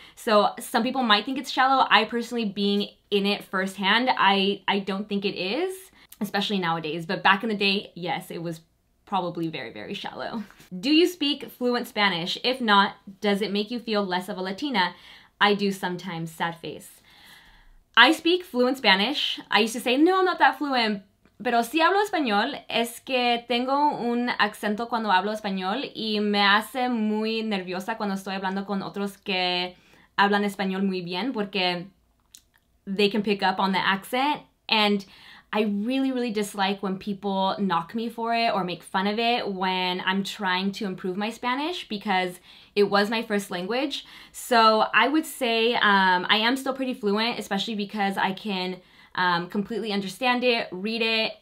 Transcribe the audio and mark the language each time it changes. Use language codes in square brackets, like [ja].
[en] So some people might think it's shallow. I personally, being in it firsthand, I don't think it is, especially nowadays. But back in the day, yes, it was probably very, very shallow. Do you speak fluent Spanish? If not, does it make you feel less of a Latina? I do sometimes, sad face. I speak fluent Spanish. I used to say, no, I'm not that fluent, [es] pero si hablo español, es que tengo un acento cuando hablo español, y me hace muy nerviosa cuando estoy hablando con otros que hablan español muy bien porque [en] they can pick up on the accent. And I really, really dislike when people knock me for it or make fun of it when I'm trying to improve my Spanish because it was my first language. So I would say I am still pretty fluent, especially because I can completely understand it, read it.